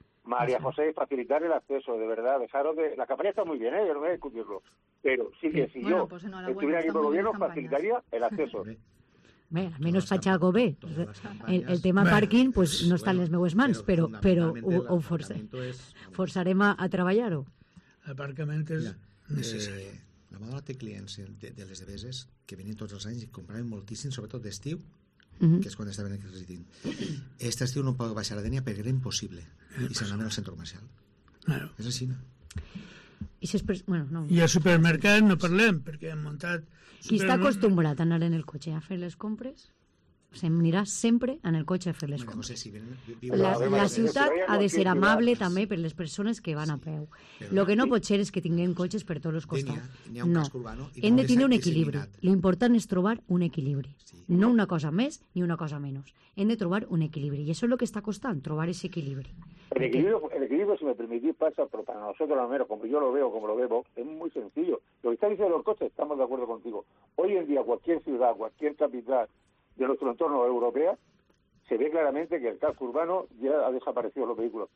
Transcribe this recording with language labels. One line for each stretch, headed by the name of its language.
Spanish: María José, facilitar el acceso, de verdad. Dejaros de... La campaña está muy bien, ¿eh? Yo no voy a discutirlo. Pero sí que si yo estuviera aquí por el gobierno, facilitaría el acceso. Al menos
Catalan: faig algo bé. El tema pàrquing pues, no està en les meues mans, però ho forçarem a treballar-ho. L'aparcament és necessari. La Madonna té clients de les Deveses que venen tots els anys i compraven moltíssim, sobretot d'estiu, que és quan estaven aquí residint. Este estiu no podeu baixar a Dénia perquè era impossible i se n'anaven al centre comercial.
Spanish: Claro.
Catalan: És així, no? I, si és per... bueno, no. I al supermercat no parlem, perquè hem muntat... Qui està acostumbrat a anar en el cotxe a fer les compres, s'anirà sempre en el cotxe a fer les compres. No sé si viuen... La ciutat ha de ser amable també per les persones que van a peu. El que no pot ser és que tinguem cotxes per tots els costats. No, hem de tenir un equilibri. L'important és trobar un equilibri. No una cosa més ni una cosa menys. Hem de trobar un equilibri. I això és el que està costant, trobar aquest equilibri.
Spanish: El equilibrio, si me permitís, pasa, pero para nosotros, al menos, como yo lo veo, como lo veo, es muy sencillo. Lo que está diciendo los coches, estamos de acuerdo contigo. Hoy en día, cualquier ciudad, cualquier capital de nuestro entorno europea, se ve claramente que el casco urbano ya ha desaparecido los vehículos.